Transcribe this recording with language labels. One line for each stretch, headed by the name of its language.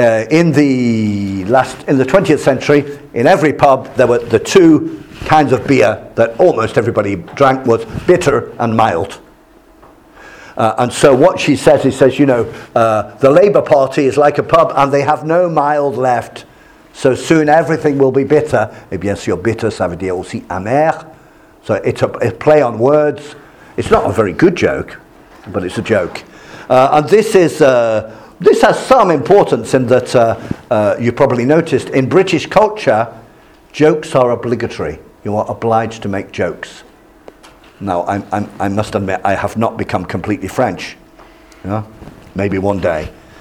English: In the 20th century, in every pub, there were the two kinds of beer that almost everybody drank was bitter and mild. And so what she says, the Labour Party is like a pub and they have no mild left. So soon everything will be bitter.
French: Eh bien, sûr, bitter, ça veut dire aussi amer.
English: So it's a play on words. It's not a very good joke, but it's a joke. And this is... This has some importance in that you probably noticed in British culture, jokes are obligatory. You are obliged to make jokes. Now, I must admit, I have not become completely French. Yeah? Maybe one day.